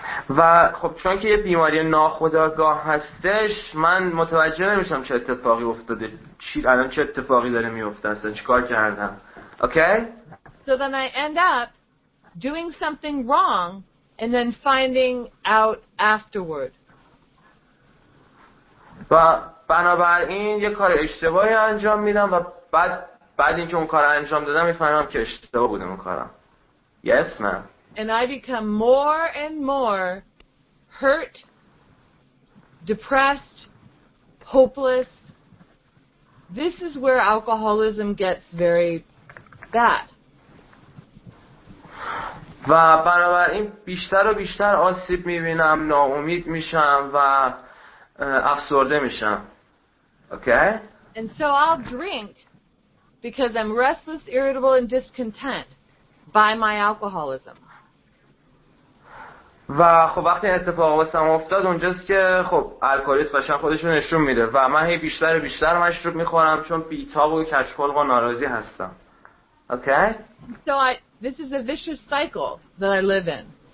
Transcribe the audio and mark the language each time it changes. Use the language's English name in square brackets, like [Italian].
[Persian] و خب چون که یه بیماری ناخودآگاه هستش من متوجه نمیشم چه اتفاقی افتاده چی الان چه اتفاقی داره میفته اصلا چیکار کردم. [English] Okay? So then I end up doing something wrong and then finding out afterward. [Persian] و بنابراین یه کار اشتباهی انجام میدم و بعد اینکه اون کار انجام دادم میفهمم که اشتباه بوده اون کارم. [English] Yes, ma'am. And I become more and more hurt, depressed, hopeless. This is where alcoholism gets very bad. [Persian] و بنابراین بیشتر و بیشتر آسیب میبینم، ناامید میشم و افسرده میشم. [English] Okay? And so I'll drink because I'm restless, irritable, and discontent by my alcoholism. [Persian] و خب وقتی این اتفاق واسم افتاد اونجاست که خب الکلیست باشن خودشون نشون میده و من هی بیشتر و بیشتر مشروب میخورم چون بیتاق و کچکلق و ناراضی هستم. [English] Okay? So this is a vicious cycle that I live in.